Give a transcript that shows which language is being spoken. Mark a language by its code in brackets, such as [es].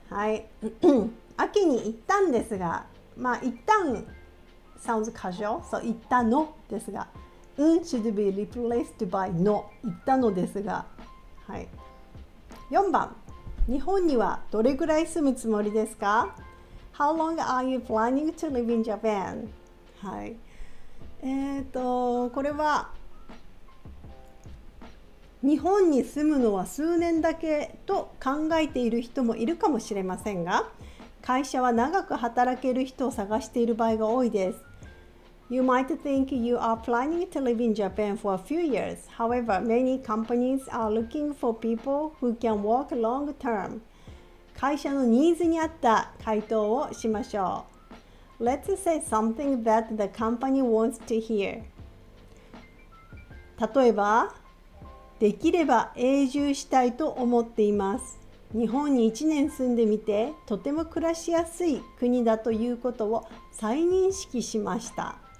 [ja] はい秋に行ったんですが、まあ一旦 [en] sounds casual、 [ja] そう、行ったのですが、うん、 [en] should be replaced by [ja] の、行ったのですが。はい、4番。日本にはどれくらい住むつもりですか？ [en] How long are you planning to live in Japan? はい。 [ja] これは日本に住むのは数年だけと考えている人もいるかもしれませんが、会社は長く働ける人を探している場合が多いです。 [en] You might think you are planning to live in Japan for a few years. However, many companies are looking for people who can work long term. [ja] 会社のニーズに合った回答をしましょう。 [en] Let's say something that the company wants to hear. [ja] 例えば、できれば永住したいと思っています。日本に1年住んでみて、とても暮らしやすい国だということを再認識しました。